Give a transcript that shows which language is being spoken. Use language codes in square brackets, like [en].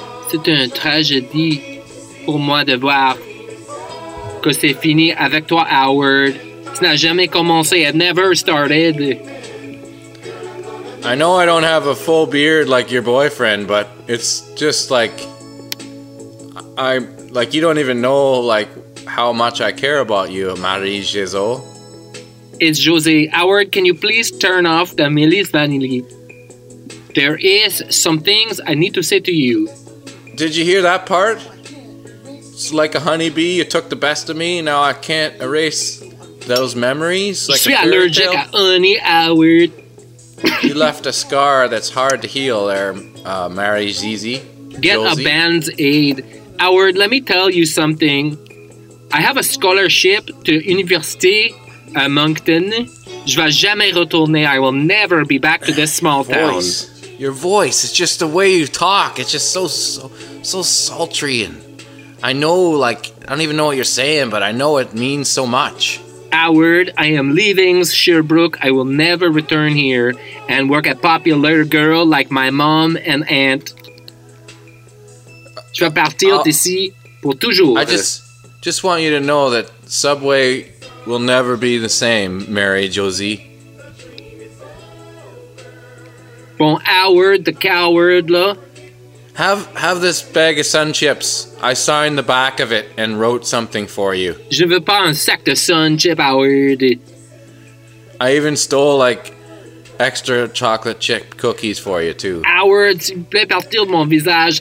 [fr] C'est une tragédie pour moi de voir que c'est fini avec toi, Howard. Ça n'a jamais commencé. It never started. [en] I know I don't have a full beard like your boyfriend, but it's just like, I'm like, you don't even know like how much I care about you, Marie-Josée. It's Josée. Howard, can you please turn off the Millie's Vanilli? There is some things I need to say to you. Did you hear that part? It's like a honeybee. You took the best of me. Now I can't erase those memories. Like, [fr] je suis allergic à honey, Howard. [en] You left a scar that's hard to heal there, Marie-Josée. Get a band's aid. Howard, let me tell you something. I have a scholarship to Université à Moncton. [fr] Je vais jamais retourner. [en] I will never be back to this small town. Your voice, it's just the way you talk. It's just so sultry. And I know, like, I don't even know what you're saying, but I know it means so much. Howard, I am leaving Sherbrooke. I will never return here and work at Popular Girl like my mom and aunt. [fr] Je vais partir d'ici pour toujours. [en] I just want you to know that Subway will never be the same, Marie-Josée. [fr] Bon, Howard, the coward, là. [en] Have this bag of sun chips. I signed the back of it and wrote something for you. [fr] Je veux pas un sac de sun chip, Howard. [en] I even stole, like, extra chocolate chip cookies for you, too. [fr] Howard, s'il vous plaît, partir de mon visage.